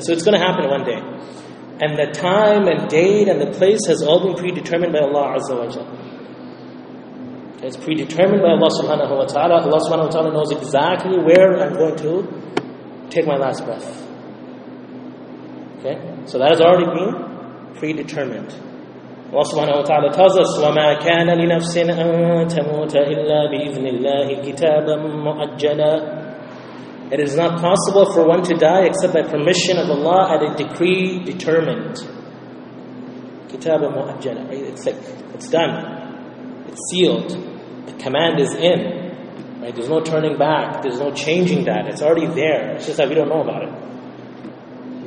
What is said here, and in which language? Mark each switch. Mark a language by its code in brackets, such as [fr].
[en] So it's going to happen one day. And the time and date and the place has all been predetermined by Allah Azza wa Jalla. It's predetermined by Allah subhanahu wa ta'ala. Allah subhanahu wa ta'ala knows exactly where I'm going to take my last breath. Okay? So that has already been predetermined. [ar] Allah subhanahu wa ta'ala tells us, وَمَا كَانَ لِنَفْسٍ أَن تَمُوتَ إِلَّا بِإِذْنِ اللَّهِ كِتَابًا مُؤَجَّلًا. [en] It is not possible for one to die except by permission of Allah at a decree determined. Kitab mu'ajjala, right? It's like, it's done. It's sealed. The command is in. Right? There's no turning back. There's no changing that. It's already there. It's just that we don't know about it.